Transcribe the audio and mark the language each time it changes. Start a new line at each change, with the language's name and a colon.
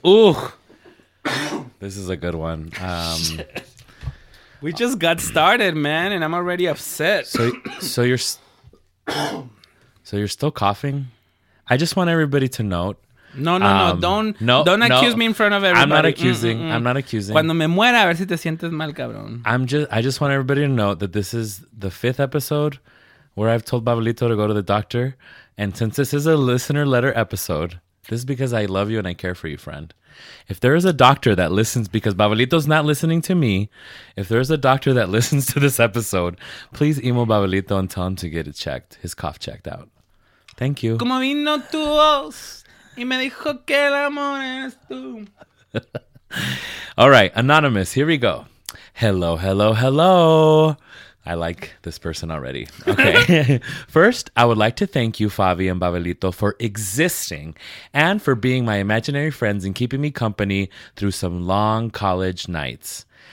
English: Ooh, this is a good one. We just got started, man, and I'm already upset. So you're still coughing? I just want everybody to note. No, don't accuse me in front of everybody. I'm not accusing. Mm-mm. I'm not accusing.
Spanish: Cuando me muera, a ver si te sientes mal, cabrón.
English: I just want everybody to note that this is the fifth episode where I've told Babelito to go to the doctor. And since this is a listener letter episode, this is because I love you and I care for you, friend. If there is a doctor that listens, because Babelito's not listening to me, if there is a doctor that listens to this episode, please email Babelito and tell him to get it checked, his cough checked out. Thank you.
Spanish: Como vino tu voz y me dijo que el amor es tú.
English: All right, anonymous, here we go. Hello, hello, hello. I like this person already. Okay. First, I would like to thank you, Favi and Babelito, for existing and for being my imaginary friends and keeping me company through some long college nights.